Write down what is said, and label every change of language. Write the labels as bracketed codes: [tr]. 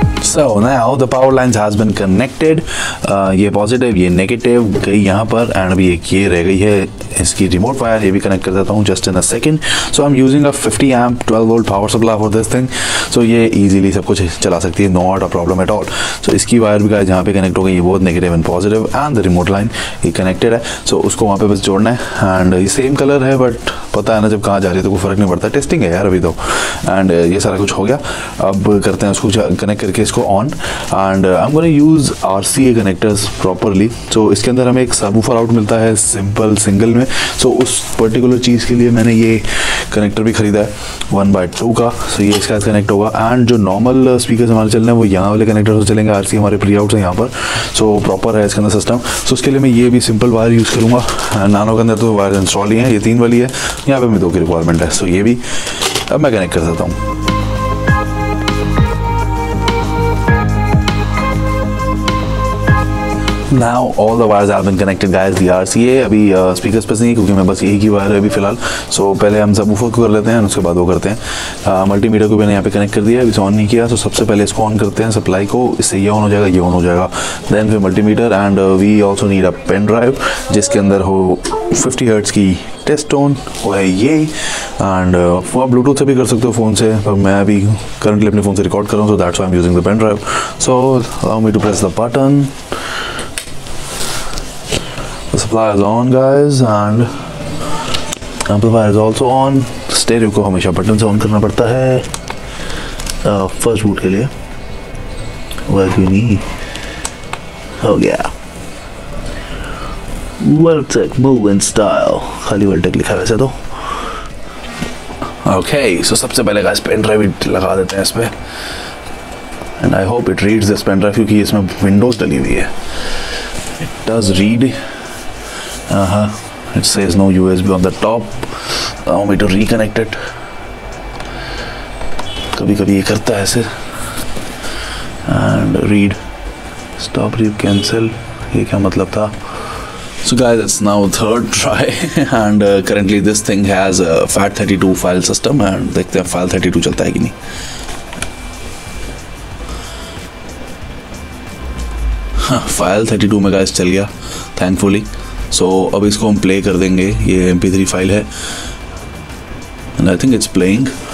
[en] So now the power lines has been connected. [hi] ये positive, ये negative गई यहाँ पर and अभी एक ये रह गई है इसकी remote wire, ये भी connect कर देता हूँ [en] just in a second. So I'm using a 50 amp 12 volt power supply for this thing. [hi] So ये easily सब कुछ चला सकती है, [en] not a problem at all. [hi] So इसकी wire भी यहाँ पे connect हो गई, ये [en] both negative and positive and the remote line [hi] ये connected है. So उसको वहाँ पे बस जोड़ना है and ये same color है but पता है ना जब कहाँ जा रही है तो कोई फर्क नहीं पड़ता, टेस्टिंग है यार अभी तो. एंड ये सारा कुछ हो गया, अब करते हैं उसको कनेक्ट करके इसको on. [en] And I am gonna use RCA connectors properly. [hi] सो इसके अंदर हमें एक सबवूफर आउट मिलता है सिंपल सिंगल में. सो उस पर्टिकुलर चीज़ के लिए मैंने ये कनेक्टर भी खरीदा है 1/2 का. सो ये इसका कनेक्ट होगा एंड जो नॉर्मल स्पीकर हमारे चल रहे हैं वो यहाँ वाले कनेक्टर से चलेंगे. आर सी हमारे प्री आउट है यहाँ पर, सो प्रॉपर है इसके अंदर सिस्टम. सो उसके लिए मैं ये भी सिंपल वायर यूज़ करूँगा. नानो के अंदर तो वायर इंस्टॉल ही है, ये तीन वाली है, यहाँ पे मैं दो की रिक्वायरमेंट है. सो ये भी अब मैं कनेक्ट कर देता हूँ. [en] Now all the wires have been connected guys. [hi] The RCA अभी स्पीकर्स पे नहीं, क्योंकि मैं बस यही की वायर है अभी फिलहाल. सो पहले हम सब वूफर को कर लेते हैं उसके बाद वो करते हैं. मल्टीमीटर को मैंने यहाँ पे कनेक्ट कर दिया, अभी ऑन नहीं किया. सो सबसे पहले इसको ऑन करते हैं सप्लाई को, इससे ये ऑन हो जाएगा, ये ऑन हो जाएगा, देन फिर multimeter. [en] and we also need a pen drive [hi] जिसके अंदर हो 50 हर्ट्ज़ की टेस्ट टोन, वो है ये. एंड आप ब्लूटूथ से भी कर सकते हो फोन से, पर मैं अभी करंटली अपने फ़ोन से रिकॉर्ड कर रहा हूँ, [en] So that's why I am using the pen drive. So allow me to press the button. Supply is on guys and amplifier is also on. [hi] Stereo को हमेशा बटन से ऑन करना पड़ता है फर्स्ट बूट के लिए. वर्क यू नी हो गया. Worldtech मूव इन स्टाइल, खाली Worldtech लिखा वैसे तो. ओके सो सबसे पहले गाइस पेन ड्राइव लगा देते हैं इसमें [en] and I hope it reads this pen drive, [hi] क्योंकि इसमें विंडोज डली हुई है. [en] It does read. It says no USB on the top. Allow me to reconnect it. [hi] कभी कभी ये करता है ऐसे. [en] And read. Stop, read, cancel. [hi] ये क्या मतलब था? [en] So guys, it's now third try. And currently this thing has a FAT32 file system. [hi] And देखते हैं FAT32 चलता है कि नहीं. FAT32 में guys चल गया, thankfully. सो अब इसको हम प्ले कर देंगे, ये MP3 फाइल है [en] And I think it's playing.